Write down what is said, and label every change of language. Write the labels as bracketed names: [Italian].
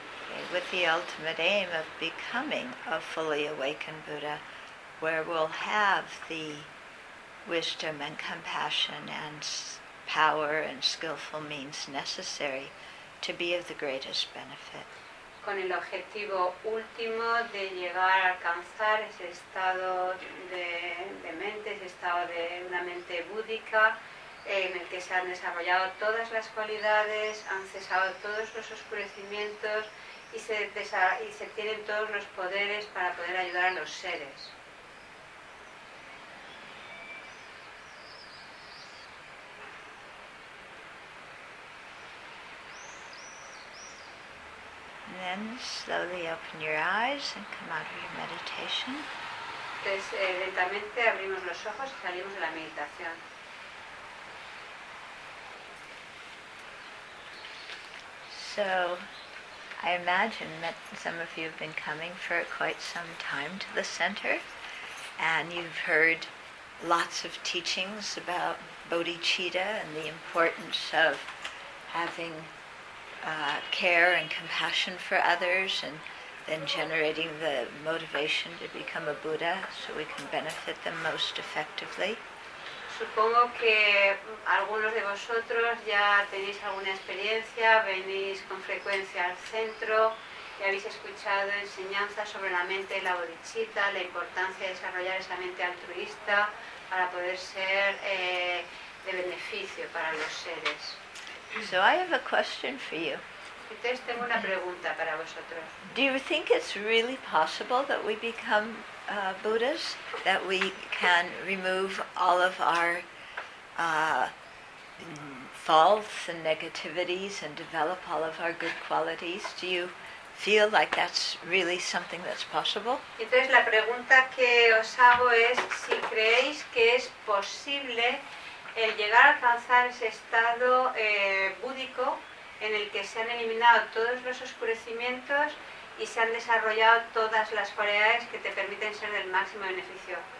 [English] Okay, with the ultimate aim of becoming a fully awakened Buddha, where we'll have the wisdom and compassion and power and skillful means necessary to be of the greatest benefit. [Spanish] Con el objetivo último de llegar a alcanzar ese estado de mente, ese estado de una mente búdica, en el que se han desarrollado todas las cualidades, han cesado todos los oscurecimientos y se tienen todos los poderes para poder ayudar a los seres. [English] Then slowly open your eyes and come out of your meditation. [Spanish] Entonces, lentamente abrimos los ojos y salimos de la meditación. [English] So, I imagine that some of you have been coming for quite some time to the center, and you've heard lots of teachings about bodhicitta and the importance of having care and compassion for others, and then generating the motivation to become a Buddha so we can benefit them most effectively. [Spanish] Supongo que algunos de vosotros ya tenéis alguna experiencia, venís con frecuencia al centro y habéis escuchado enseñanzas sobre la mente de la bodhicitta, la importancia de desarrollar esa mente altruista para poder ser de beneficio para los seres. [English] So I have a question for you. [Spanish] Entonces tengo una pregunta para vosotros. [English] Do you think it's really possible that we become Buddhas, that we can remove all of our faults and negativities and develop all of our good qualities? Do you feel like that's really something that's possible? [Spanish] Entonces la pregunta que os hago es si creéis que es posible el llegar a alcanzar ese estado búdico en el que se han eliminado todos los oscurecimientos y se han desarrollado todas las cualidades que te permiten ser del máximo beneficio.